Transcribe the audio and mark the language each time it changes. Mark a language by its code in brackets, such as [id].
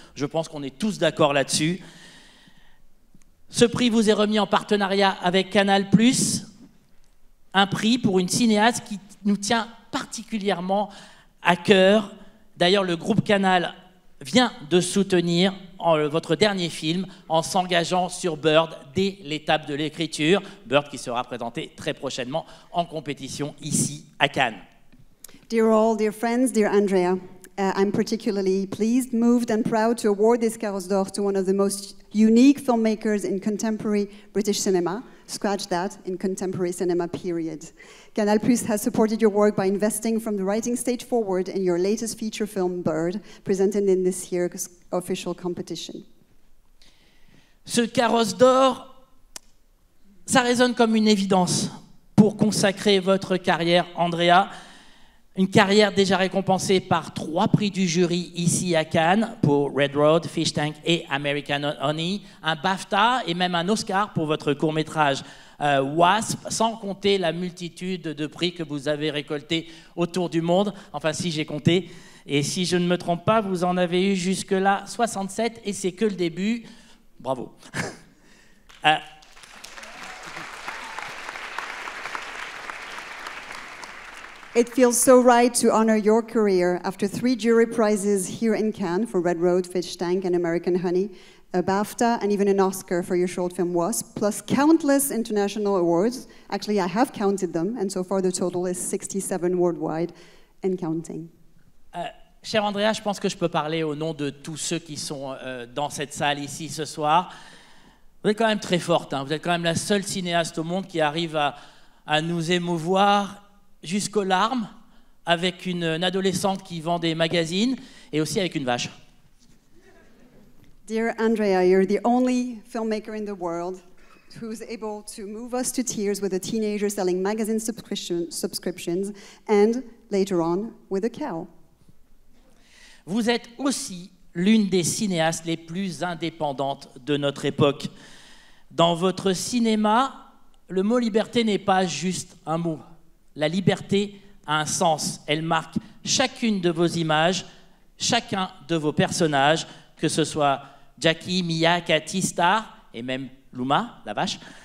[fr] Je pense qu'on est tous d'accord là-dessus. Ce prix vous est remis en partenariat avec Canal+, un prix pour une cinéaste qui nous tient particulièrement à cœur. D'ailleurs, le groupe Canal vient de soutenir votre dernier film en s'engageant sur Bird dès l'étape de l'écriture. Bird qui sera présenté très prochainement en compétition ici à Cannes. [en] Dear all, dear friends, dear Andrea, I'm particularly pleased, moved and proud to award this carrosse d'or to one of the most unique filmmakers in contemporary British cinema. Scratch that, in contemporary cinema, period. Canal Plus has supported your work by investing from the writing stage forward in your latest feature film, Bird, presented in this year's official competition. [fr] Ce carrosse d'or, ça résonne comme une évidence pour consacrer votre carrière, Andrea. Une carrière déjà récompensée par 3 prix du jury ici à Cannes pour Red Road, Fish Tank et American Honey, un BAFTA et même un Oscar pour votre court-métrage Wasp, sans compter la multitude de prix que vous avez récoltés autour du monde, enfin si j'ai compté. Et si je ne me trompe pas, vous en avez eu jusque-là 67 et c'est que le début. Bravo. [en] It feels so right to honor your career after 3 jury prizes here in Cannes for Red Road, Fish Tank and American Honey, a BAFTA and even an Oscar for your short film Wasp, plus countless international awards. Actually, I have counted them, and so far the total is 67 worldwide and counting. [fr] Cher Andrea, je pense que je peux parler au nom de tous ceux qui sont dans cette salle ici ce soir. Vous êtes quand même très forte, hein. Vous êtes quand même la seule cinéaste au monde qui arrive à nous émouvoir jusqu'aux larmes, avec une adolescente qui vend des magazines, et aussi avec une vache. [en] Dear Andrea, you're the only filmmaker in the world who's able to move us to tears with a teenager selling magazine subscriptions, and later on, with a cow. [fr] Vous êtes aussi l'une des cinéastes les plus indépendantes de notre époque. Dans votre cinéma, le mot liberté n'est pas juste un mot. La liberté a un sens, elle marque chacune de vos images, chacun de vos personnages, que ce soit Jackie, Mia, Cathy, Star, et même Luma, la vache.